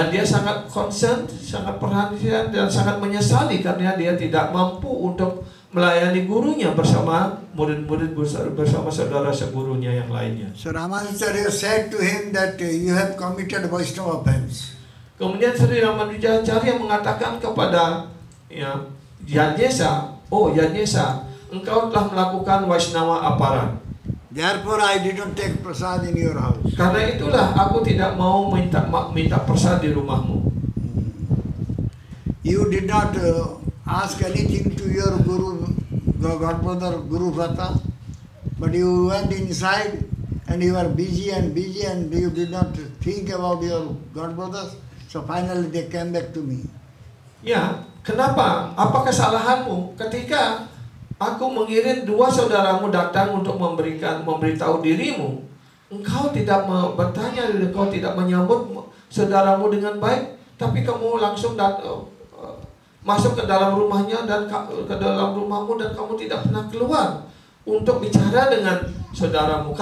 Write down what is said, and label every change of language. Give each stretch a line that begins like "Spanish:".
Indonesian: Dan dia sangat concerned, sangat perhatian dan sangat menyesali karena dia tidak mampu untuk melayani gurunya bersama murid-murid bersama saudara segurunya yang lainnya.
English: So Ramanacharya said to him that you have committed Vaishnava offense.
Indonesian: Kemudian Sri Ramanuja Acharya mengatakan kepada ya, Yajnesa, oh Yajnesa, engkau telah melakukan Vaishnava aparan.
English: Therefore I didn't take prasad in your house.
Indonesian: Karena itulah aku tidak mau minta prasad di rumahmu.
English: You did not ask anything to your guru, godbrother, guru Radha, but you went inside and you were busy and you did not think about your godbrothers. So finally they came back to me.
Indonesian: Ya, kenapa? Apa kesalahanmu ketika aku mengirim dua saudaramu datang untuk memberitahu dirimu? Engkau tidak bertanya, engkau tidak menyambut saudaramu dengan baik, tapi kamu langsung datang masuk ke dalam rumahnya dan ke dalam rumahmu dan kamu tidak pernah keluar untuk bicara dengan saudaramu.